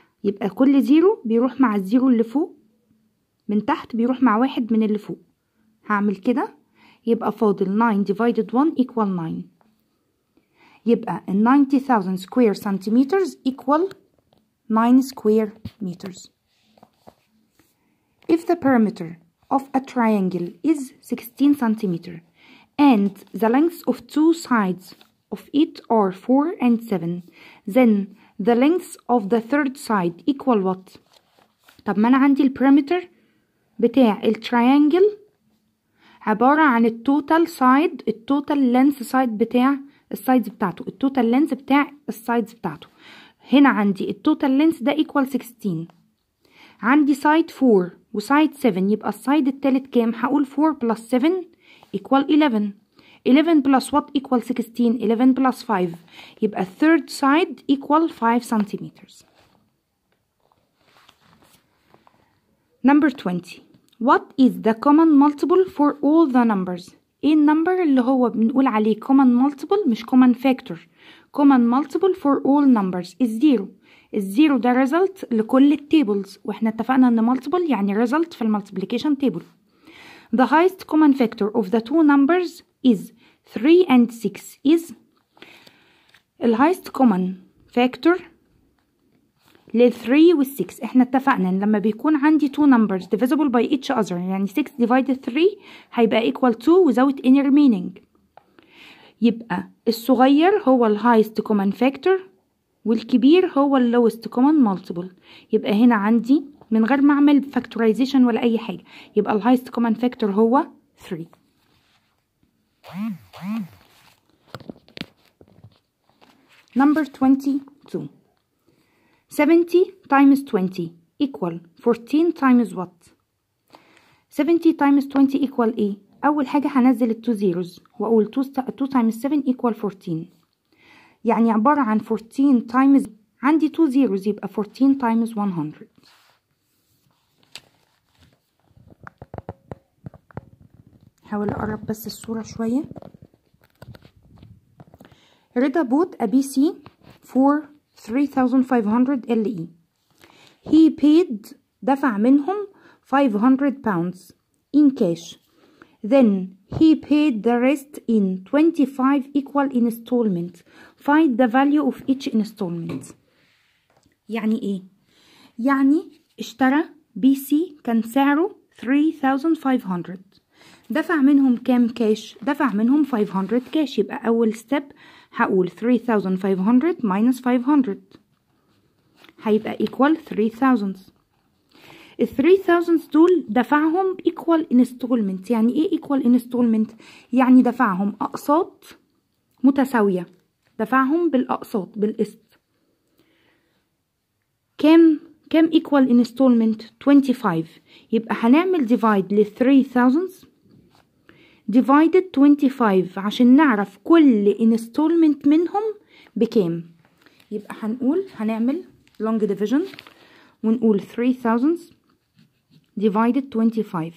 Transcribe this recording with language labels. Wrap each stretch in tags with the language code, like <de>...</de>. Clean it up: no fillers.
<ar>يبقى كل زيرو بيروح مع الزيرو اللي فوق، من تحت بيروح مع واحد من اللي فوق. هعمل كده يبقى فاضل 9 ديفايدد 1 ايكوال 9.</ar> <en>يبقى 90,000 سكوير سنتيمترز ايكوال 9 سكوير مترز. If the perimeter of a triangle is 16 centimeter and the lengths of two sides of it are 4 and 7, then the lengths of the third side equal what?</en> <ar>طب ما انا عندي البيراميتر بتاع التريانجل عبارة عن التوتال سايد، التوتال لينث سايد بتاع السايدز بتاعته، التوتال لينث بتاع السايدز بتاعته. هنا عندي التوتال لينث ده equal 16، عندي سايد 4 وسايد 7، يبقى السايد التالت كام؟ هقول</ar> <en>4 plus 7 equal 11. 11 plus what equal 16؟ 11 plus 5، يبقى third side equal 5 centimeters. Number 20. What is the common multiple for all the numbers؟</en> <ar>ايه النمبر اللي هو بنقول عليه</ar> <en>common multiple مش common factor؟ common multiple for all numbers is 0.</en> <ar>الزيرو ده result لكل التابلز، واحنا اتفقنا ان multiple يعني result في المultiplication table.</ar> <en>The highest common factor of the two numbers is 3 and 6 is ال highest common factor لل 3 وال 6.</en> <ar>احنا اتفقنا ان لما بيكون عندي</ar> <en>2 numbers divisible by each other يعني 6 divided 3 هيبقى equal 2 without any remaining.</en> <ar>يبقى الصغير هو ال highest common factor والكبير هو ال lowest common multiple. يبقى هنا عندي من غير ما اعمل factorization ولا اي حاجة، يبقى ال highest common factor هو 3.</ar> <en>Number 22. 70 times 20 equal 14 times what? 70 times 20 equal a.</en> <ar>أول حاجة هنزل ال 2 zeros وأقول</ar> <en>2 times 7 equal 14،</en> <ar>يعني عبارة عن 14 times، عندي 2 zeros يبقى 14 times 100. حاول أقرب بس الصورة شوية.</ar> <en>رضا bought a PC for 3500 LE. He paid</en> <ar>دفع منهم</ar> <en>500 pounds in cash. Then he paid the rest in 25 equal installments. Find the value of each installment.</en> <ar>يعني إيه؟ يعني اشترى بي سي كان سعره 3500. دفع منهم كام كاش؟ دفع منهم 500 كاش. يبقى أول ستيب هقول 3500 minus 500 هيبقى equal 3000. ال 3000 دول دفعهم equal installment. يعني ايه equal installment؟ يعني دفعهم أقساط متساوية، دفعهم بالأقساط بالقسط. كم equal installment؟ 25. يبقى هنعمل divide لل 3000 divided 25 عشان نعرف كل installment منهم بكام. يبقى هنقول هنعمل long division ونقول 3000 divided 25.</ar>